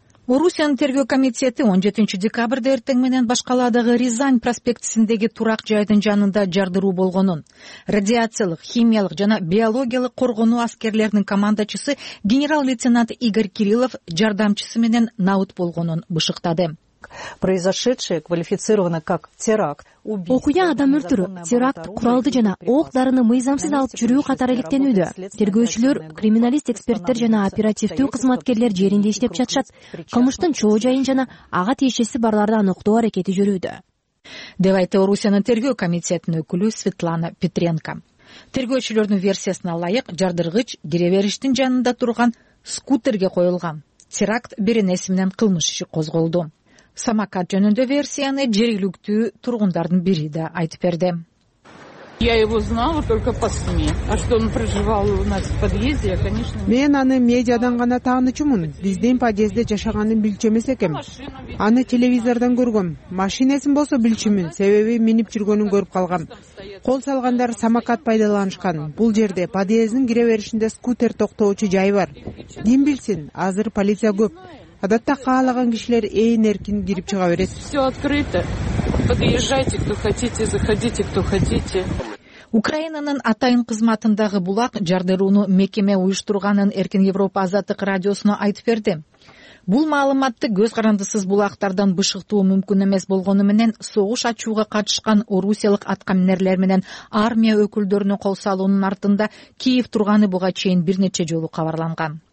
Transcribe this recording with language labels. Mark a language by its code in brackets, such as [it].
[ky] Орусиянын тергөө комитети 17 декабрда эртең менен башкаладагы Рязань проспектисиндеги турак жайдын жанында жардыруу болгонун радиациялык, химиялык жана биологиялык коргонуу аскерлеринин командачысы генерал-лейтенант Игорь Кириллов жардамчысы менен наут болгонун бышыктады. [ru] Произошедшее квалифицировано как теракт. [ky] Окуя адам өлтүрүү, теракт, куралды жана ок дарыны мыйзамсыз алып жүрүү катары электенүүдө. Тергөөчүлөр, криминалист эксперттер жана оперативдүү кызматкерлер жеринде иштеп жатышат. Кылмыштын чоо жайын жана ага тиешеси барларды аныктоо аракети жүрүүдө. Деп айтты Орусиянын тергөө комитетинин өкүлү Светлана Петренко. Тергөөчүлөрдүн версиясына ылайык, жардыргыч кире бериштин жанында турган скутерге коюлган. Теракт беренеси менен кылмыш иши козголду. Самокат жөнүндө версияны жергиликтүү тургундардын бири да айтып берди. [ru] Я его знала только по СМИ. А что он проживал у нас в подъезде, я, конечно... [ky] Мен аны медиадан гана таанычумун. Биздин подъезде жашаганын билчү эмес экем. Аны телевизордон көргөм. Машинесин болсо билчүмүн, себеби минип жүргөнүн көрүп калгам. Кол салгандар самокат пайдаланышкан. Бул жерде подъездин кире беришинде скутер токтоочу жай бар. Ким билсин, азыр полиция көп. Адатта каалаган кишилер ээн эркин кирип чыга берет. [ru] Все открыто. Подъезжайте, кто хотите, заходите, кто хотите. [ky] Украинанын атайын кызматындагы булак жардырууну мекеме уюштурганын Эркин Европа Азаттык радиосуна айтып берди. Бул маалыматты көз карандысыз булактардан бышыктуу мүмкүн эмес болгону менен согуш ачууга катышкан орусиялык аткаминерлер менен армия өкүлдөрүнө кол салуунун артында Киев турганы буга чейин бир нече жолу кабарланган.